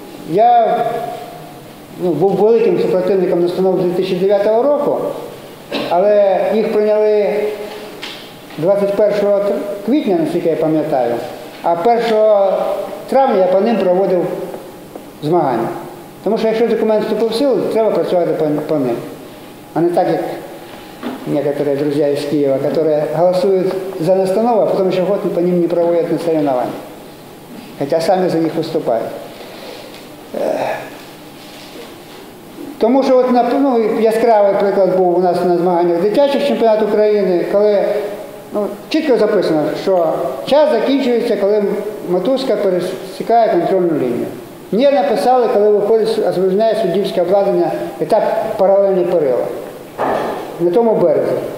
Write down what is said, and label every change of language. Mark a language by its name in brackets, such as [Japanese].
[Ukrainian] Я був великим супротивником настанов 2009 року, але їх прийняли 21 квітня, наскільки я пам'ятаю, а 1 травня я по ним проводив змагання. Тому що якщо документ вступив в силу, треба працювати по ним. [Russian] А не так, як некоторые друзья из Киева, которые голосуют за настанову, а потом еще год по ним не проводят на соревнования. Хотя сами за них выступают. [Ukrainian] Тому що от, ну, яскравий приклад був у нас на змаганнях дитячих чемпіонат України, коли, ну, чітко записано, що час закінчується, коли мотузка пересікає контрольну лінію. Мені написали, коли виходить, зрозуміє суддівське обладнання, етап паралельного перила на тому березі.